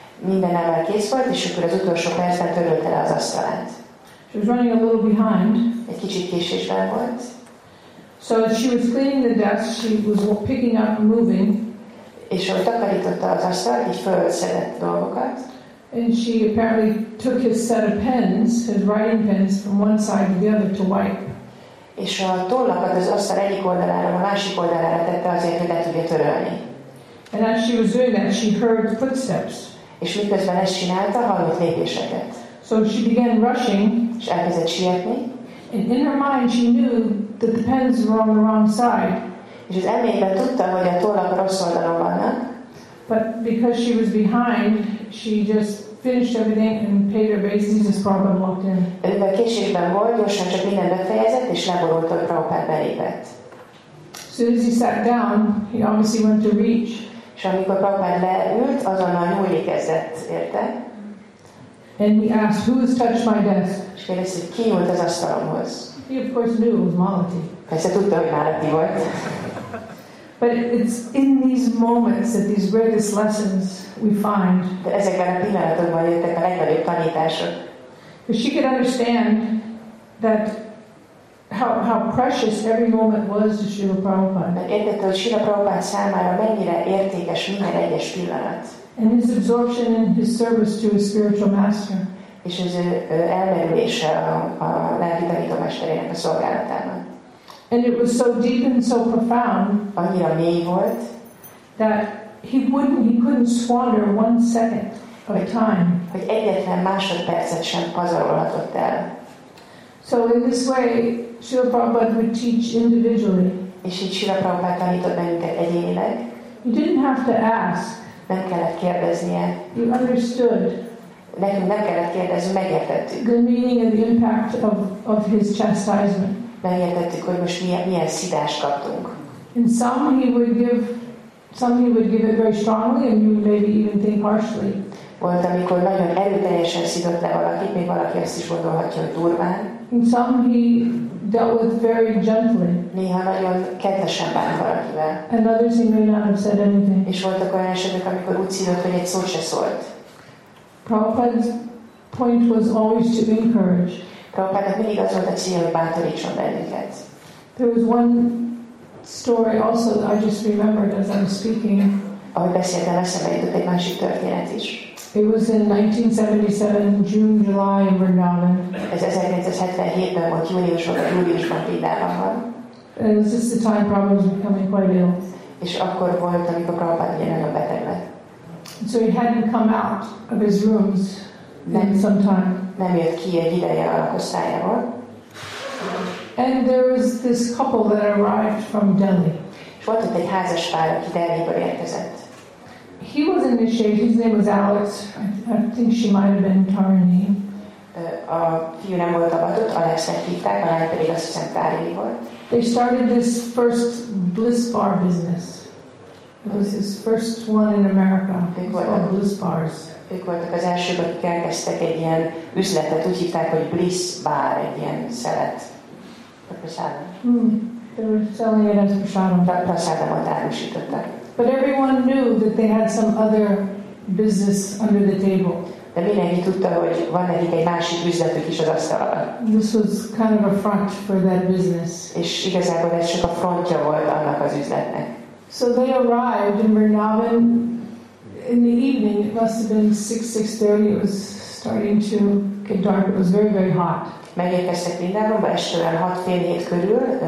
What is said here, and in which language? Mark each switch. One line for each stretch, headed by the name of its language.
Hungarian: Mindenával kész volt, és akkor az utolsó percben törölte le az asztalát.
English: She was running a little behind.
Hungarian: Egy kicsit késésben volt.
English: So as she was cleaning the desk, she was picking up and moving.
Hungarian: És ahogy takarította az asztalt, így felszedett dolgokat.
English: And she apparently took his set of pens, his writing pens, from one side to the other to wipe.
Hungarian: És a tollakat az asztal egyik oldalára, a másik oldalára tette azért, hogy le tudja törölni.
English: And as she was doing that, she heard footsteps.
Hungarian: És miközben ezt csinálta, hallott lépéseket.
English: So she began rushing.
Hungarian: És elkezdett sietni.
English: And in her mind she knew that the pens were on the wrong side.
Hungarian: És az emlékben tudta, hogy a tollak a rossz oldalon vannak.
English: But because she was behind, she just finished everything and paid her basis as Prabhupada walked in.
Hungarian: Ő későbben volt, gyorsan csak mindent befejezett, és leborult, hogy Prabhupada belépett.
English: As soon as he sat down, he obviously went to reach.
Hungarian: És amikor Prabhupada leült, azonnal nyúlni kezdett, érte?
English: And he asked, who has touched my desk?
Hungarian: És kérdezte, hogy ki volt az asztalomhoz?
English: He of course knew it was Malati.
Hungarian: Persze tudta, hogy Malati volt.
English: But it's in these moments that these greatest lessons we find.
Hungarian: De ezekben a pillanatokban jöttek a legnagyobb tanítások.
English: Because she could understand that how precious every moment was to Srila Prabhupada.
Hungarian: Értette, hogy Srila Prabhupada számára mennyire értékes minden egyes pillanat.
English: And his absorption in his service to his spiritual master.
Hungarian: És az elmerülése a lelki tanító mesterének a szolgálatában.
English: And it was so deep and so profound
Hungarian: volt,
English: that he couldn't squander one second of time.
Hungarian: Hogy egyetlen másodpercet sem pazarolhatott el.
English: So in this way, Srila Prabhupada would teach individually.
Hungarian: És így Srila Prabhupada tanított bennünket egyénileg.
English: You didn't have to ask.
Hungarian: Nem kellett kérdeznie.
English: You understood.
Hungarian: Nekünk nem kellett kérdezni, megértettük.
English: The meaning and the impact of his chastisement.
Hungarian: Megértettük, hogy most milyen szidást kaptunk.
English: And some he would give it very strongly, and you would maybe even think harshly.
Hungarian: Volt, amikor nagyon erőteljesen szidott le valakit, még valaki azt is gondolhatja, hogy durván.
English: And some he dealt with very gently.
Hungarian: Néha nagyon kedvesen bánt valakivel.
English: And others he may not have said anything.
Hungarian: És voltak olyan esetek, amikor úgy szidott, hogy egy szó se szólt.
English: Prabhupada's point was always to encourage.
Hungarian: Prabhupada mindig az volt a cél, hogy bátorítson bennünket.
English: There was one story also that I just remembered as I was speaking.
Hungarian: Ahogy beszéltem, eszembe jutott egy másik történet is.
English: It was in 1977, June, July in Vrindavan.
Hungarian: Ez 1977-ben volt, júliusban, Vrindavanban.
English: And this is the time Prabhupada was becoming quite ill.
Hungarian: És akkor volt, amikor Prabhupada ugye nagyon beteg lett.
English: So he hadn't come out of his rooms in some time.
Hungarian: Nem jött ki egy ideje a lakosztályából.
English: And there was this couple that arrived from Delhi.
Hungarian: És volt ott egy házas pár, aki Delhiből érkezett.
English: He was initiated. His name was Alex. I think she might have been Tarini.
Hungarian: A fiú nem volt avatott, Alexnek hívták, a lány pedig azt hiszem Tarini volt.
English: They started this first bliss bar business. It was his first one in America. It was called Bliss Bars.
Hungarian: Ők voltak az elsők, akik elkezdtek egy ilyen üzletet, úgy hívták, hogy Bliss Bar, egy ilyen szelet. A prasádam.
English: They were selling it as prasádam.
Hungarian: A prasádamot árusították.
English: But everyone knew that they had some other business under the table.
Hungarian: De mindenki tudta, hogy van nekik egy másik üzletük is az asztalra.
English: This was kind of a front for that business.
Hungarian: És igazából ez csak a frontja volt annak az üzletnek.
English: So they arrived in Vrindavan in the evening. It must have been 6:30. It was starting to get dark. It was very, very hot.
Hungarian: Megérkeztek Vrindavanba este olyan 6:30 körül.